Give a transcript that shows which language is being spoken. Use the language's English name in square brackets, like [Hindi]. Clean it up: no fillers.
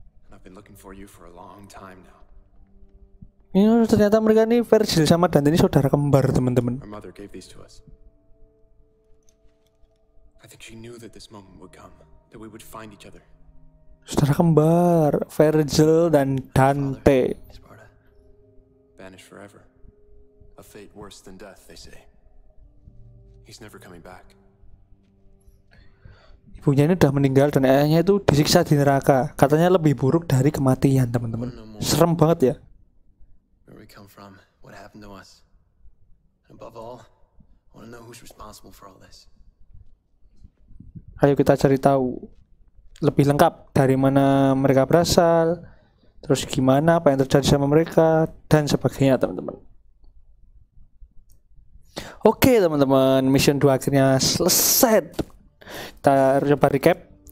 [English] I've been looking for you for a long time now. [Indonesian] Ini ternyata mereka ini Virgil sama Dante ini saudara kembar, teman-teman. [English] Our mother gave these to us. I think she knew that this moment would come, that we would find each other. [Indonesian] Saudara kembar, Virgil dan Dante. [English] Banished forever. A fate worse than death, they say. He's never coming back. [Indonesian] Ibunya ini sudah meninggal dan ayahnya itu disiksa di neraka. Katanya lebih buruk dari kematian, teman-teman. Serem banget ya. [English] Where we come from? What happened to us? Above all, I want to know who's responsible for all this. [Indonesian] Ayo kita cari tahu lebih lengkap dari mana mereka berasal, terus gimana, apa yang terjadi sama mereka dan sebagainya teman-teman. Oke teman-teman, mission 2 akhirnya selesai. Kita coba recap.